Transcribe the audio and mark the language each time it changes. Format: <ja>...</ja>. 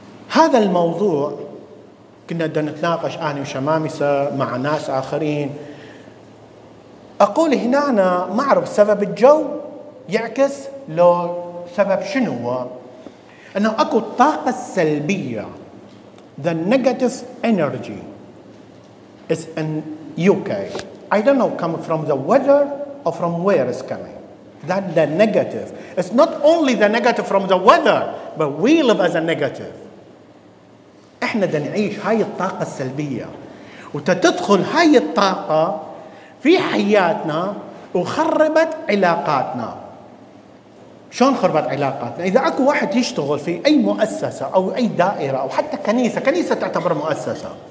<ar>هذا الموضوع كنا بدنا نتناقش أنا وشمامسة مع ناس آخرين أقول هنا أنا ما أعرف سبب الجو يعكس لو سبب شنو أنه أكو الطاقة السلبية</ar> <en>The negative energy is in UK I don't know come from the weather or from where it's coming That the negative. It's not only the negative from the weather, but we live as a negative.</en> <ar>إحنا دا نعيش هاي الطاقة السلبية. وتتدخل هاي الطاقة في حياتنا وخربت علاقاتنا. شلون خربت علاقاتنا؟ إذا أكو واحد يشتغل في أي مؤسسة أو أي دائرة أو حتى كنيسة، كنيسة تعتبر مؤسسة.</ar>